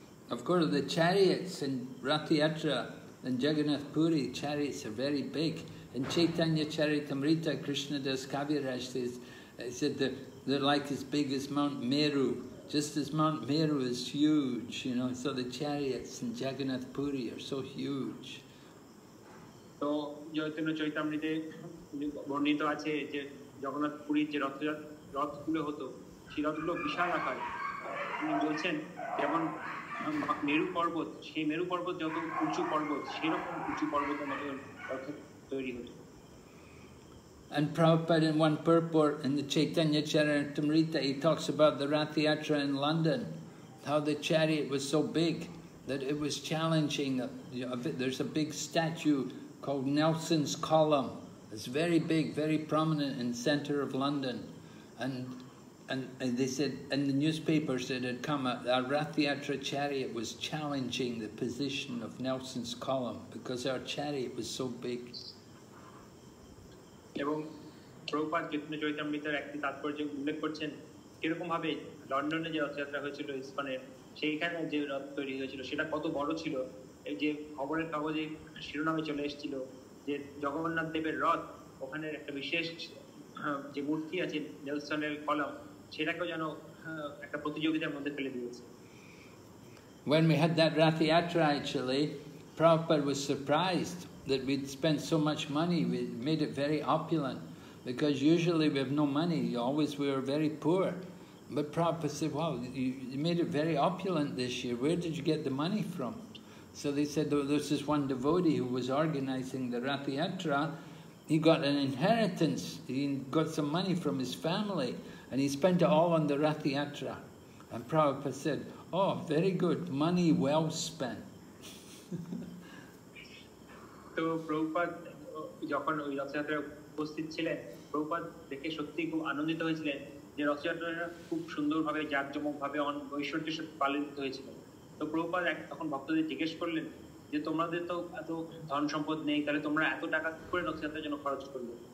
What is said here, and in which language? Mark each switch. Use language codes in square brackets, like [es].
[en] Of course, the chariots in Ratha Yatra and Jagannath Puri, chariots are very big. In Chaitanya Charitamrita, Krishna Das Kaviraj says, they're like as big as Mount Meru, just as Mount Meru is huge, you know. So the chariots in Jagannath Puri are so huge. So, [bn] জয়তুনা চৈতামৃতে বর্ণিত আছে যে জগন্নাথ পুরীর যে রথ খুলে হতো সেই রথগুলো বিশাল আকার। তিনি বলছেন যেমন মেরু পর্বত, সেই মেরু পর্বত যত উঁচু পর্বত সেরকম উঁচু পর্বত আমাদের রথ তৈরি হতো। [en] And Prabhupada, in one purport in the Chaitanya Charitamrita, he talks about the Ratha Yatra in London, how the chariot was so big that it was challenging. There's a big statue called Nelson's Column. It's very big, very prominent in the center of London. And they said in the newspapers it had come, a Ratha Yatra chariot was challenging the position of Nelson's Column because our chariot was so big. [bn] এবং প্রভুপাদ চৈতন্য চৈতন্যের একটি তাৎপর্য উল্লেখ করছেন কিরকম ভাবে লন্ডনে যে রথযাত্রা হয়েছিল ইস্কনের সেইখানে যে রথ তৈরি হয়েছিল সেটা কত বড় ছিল। এই যে খবরের কাগজে শিরোনামে চলে এসেছিল যে জগন্নাথ দেবের রথ, ওখানে একটা বিশেষ যে মূর্তি আছে নেলসনের কলম সেটাকেও যেন একটা প্রতিযোগিতার মধ্যে ফেলে দিয়েছে। [en] When we had that Ratha Yatra actually, Prabhupada was surprised that we'd spent so much money. We made it very opulent, because usually we have no money, always we were very poor. But Prabhupada said, wow, you made it very opulent this year, where did you get the money from? So they said, oh, there's this one devotee who was organizing the Ratha Yatra, he got an inheritance, he got some money from his family, and he spent it all on the Ratha Yatra. And Prabhupada said, oh, very good, money well spent. [bn] তো প্রভুপাদ যখন ওই রথযাত্রায় উপস্থিত ছিলেন, প্রভুপাদ দেখে সত্যি খুব আনন্দিত হয়েছিলেন যে রথযাত্রা খুব সুন্দরভাবে জাঁকজমকভাবে ঐশ্বর্যের সাথে পালিত হয়েছিল। তো প্রভুপাদ তখন ভক্তদের জিজ্ঞেস করলেন যে তোমাদের তো এত ধন সম্পদ নেই, তাহলে তোমরা এত টাকা করে রথযাত্রার জন্য খরচ করলে?